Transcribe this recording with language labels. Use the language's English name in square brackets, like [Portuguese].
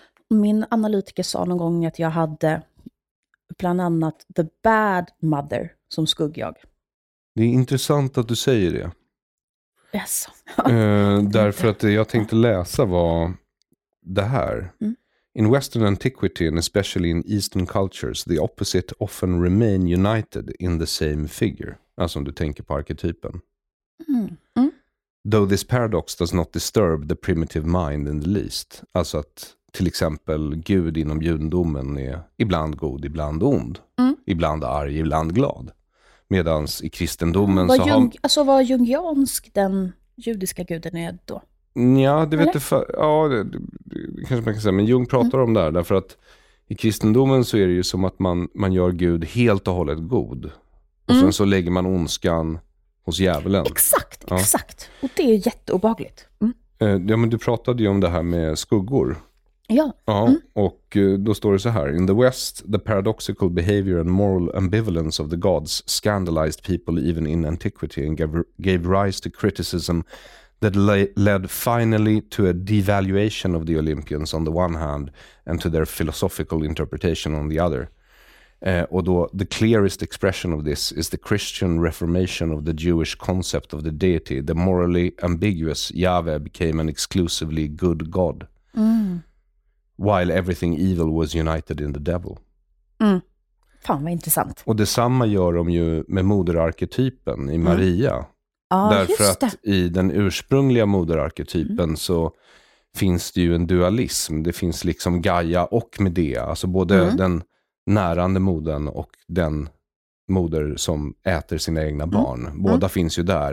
[Swedish] Min analytiker sa någon gång att jag hade bland annat [English] the bad mother [Swedish] som skuggjag. Det är intressant att du säger det. [English] Yes. [Swedish] därför att jag tänkte läsa vad det här. [English] In Western antiquity and especially in Eastern cultures, the opposite often remain united in the same figure. [Swedish] Alltså om du tänker på arketypen. [English] Though this paradox does not disturb the primitive mind in the least. [Swedish] Alltså att till exempel Gud inom judendomen är ibland god, ibland ond. Ibland arg, ibland glad. Medans i kristendomen var så Jung, har... Alltså var jungiansk den judiska guden är då? Ja, det vet du för... Ja, det kanske man kan säga. Men Jung pratar om det här, därför att i kristendomen så är det ju som att man gör Gud helt och hållet god. Och sen så lägger man ondskan hos djävulen. Exakt. Och det är jätteobehagligt. Ja, men du pratade ju om det här med skuggor. Ja. Och då står det så här: [English] in the West, the paradoxical behavior and moral ambivalence of the gods scandalized people even in antiquity and gave rise to criticism that led finally to a devaluation of the Olympians on the one hand and to their philosophical interpretation on the other. [Swedish] Och då, [English] the clearest expression of this is the Christian reformation of the Jewish concept of the deity. The morally ambiguous Yahweh became an exclusively good god. While everything evil was united in the devil. [Swedish] Fan, vad intressant. Och detsamma gör de ju med moderarketypen i Maria. Ah, därför att i den ursprungliga moderarketypen så finns det ju en dualism. Det finns liksom Gaia och Medea. Alltså både den närande modern och den moder som äter sina egna barn. Båda finns ju där.